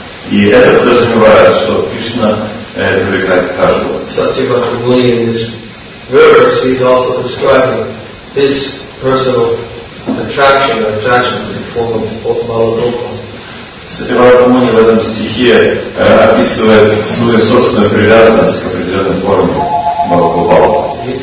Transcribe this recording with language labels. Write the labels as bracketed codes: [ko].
[ru] И это подразумевает, что Кришна привлекает каждого. [en] Сатибхатта Муни in this verse is also describing his personal attraction or attachment in the form of Balarupa. [ru] Сатибхатта Муни в этом стихе описывает свою собственную привязанность к определенной форме Балагопала.